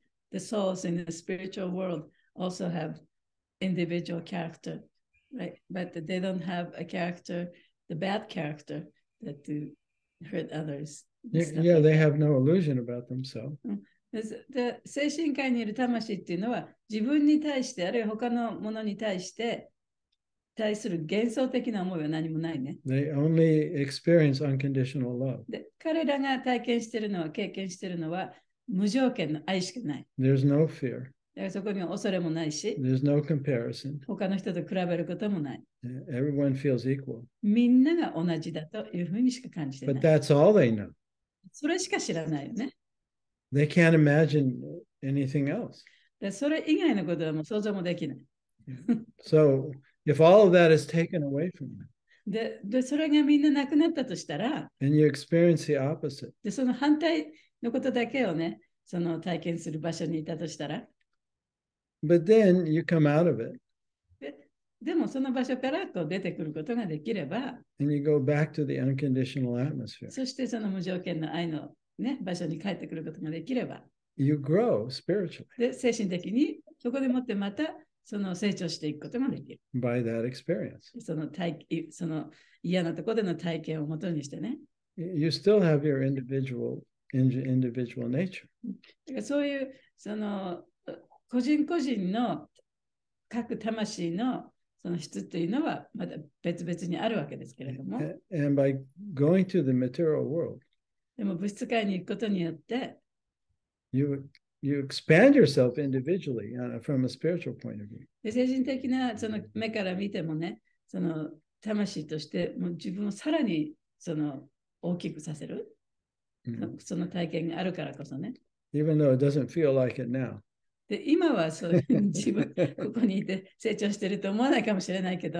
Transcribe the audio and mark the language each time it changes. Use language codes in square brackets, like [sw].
[en] The souls in the spiritual world also have individual character, right? But they don't have a character, the bad character that do hurt others. Yeah, they have no illusion about themselves. [ja] The 精神界にいる魂っていうのは自分に対して、あるいは他のものに対して対する幻想的な思いは何もないね。 [en] They only experience unconditional love. [ja] で、彼らが体験しているのは、経験しているのは、無条件の愛しかない。 [en] There's no fear. [ja] そこには恐れもないし、 [en] There's no comparison. [ja] 他の人と比べることもない。 [en] Everyone feels equal. [ja] みんなが同じだというふうにしか感じてない。 [en] But that's all they know. [ja] それしか知らないよね。 [en] They can't imagine anything else. [ja] で、それ以外のことはもう想像もできない。 [en] So, if all of that is taken away from you, [ja] でそれがみんななくなったとしたら、 [en] and you experience the opposite, [ja] でその反対のことだけをね、その体験する場所にいたとしたら、 [en] but then you come out of it. [ja] でもその場所からこう出てくることができれば、 [en] and you go back to the unconditional atmosphere. [ja] そしてその無条件の愛の、ね、場所に帰ってくることができれば、 [en] you grow spiritually. [ja] で精神的にそこでもってまたその成長していくこともできる。 [en] By that experience. [ja] その嫌なところでの体験をもとにしてね。 [en] You still have your individual nature. [ja] だからそういうその個人個人の各魂のその質というのはまだ別々にあるわけですけれども。 [en] And by going to the material world, [ja] でも物質界に行くことによって、 [en] You expand yourself individually from a spiritual point of view. [ja] 精神的なその目から見てもね、その魂としてもう自分をさらにその大きくさせる、mm-hmm. その体験があるからこそね。 [en] Even though it doesn't feel like it now. [ja] で今はそう自分ここにいて成長してると思わないかもしれないけど。